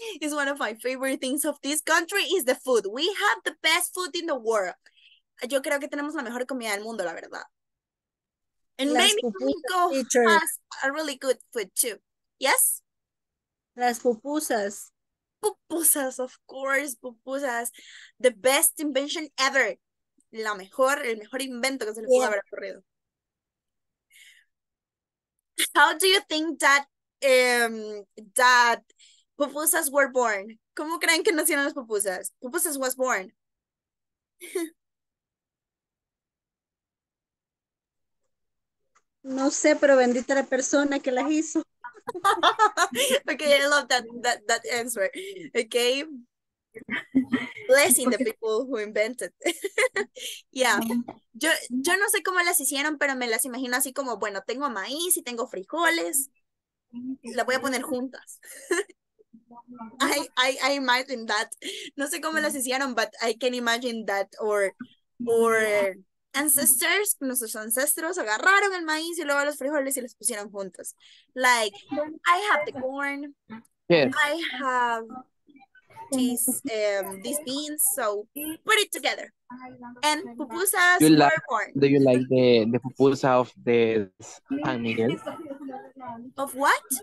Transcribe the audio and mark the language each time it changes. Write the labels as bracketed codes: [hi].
[en] It's one of my favorite things of this country is the food. We have the best food in the world. [es] Yo creo que tenemos la mejor comida del mundo, la verdad. [en] And las maybe Mexico has a really good food too. Yes? [es] Las pupusas. [en] Pupusas, of course, pupusas. The best invention ever. [es] El mejor invento que se le pudo haber ocurrido. [en] How do you think that that pupusas were born? [es] ¿Cómo creen que nacieron las pupusas? [en] Pupusas was born. [es] No sé, pero bendita la persona que las hizo. [en] Okay, I love that answer. Okay. Blessing the people who invented. Yeah. [es] Yo no sé cómo las hicieron, pero me las imagino así como, bueno, tengo maíz y tengo frijoles. Las voy a poner juntas. [en] I imagine that. [es] No sé cómo las hicieron, [en] but I can imagine that. Or ancestors, [es] nuestros ancestros agarraron el maíz y luego los frijoles y los pusieron juntos. [en] Like, I have the corn. Yes. I have these beans, so put it together. And pupusas are corn. Do you like the pupusa of the San Miguel? Of what?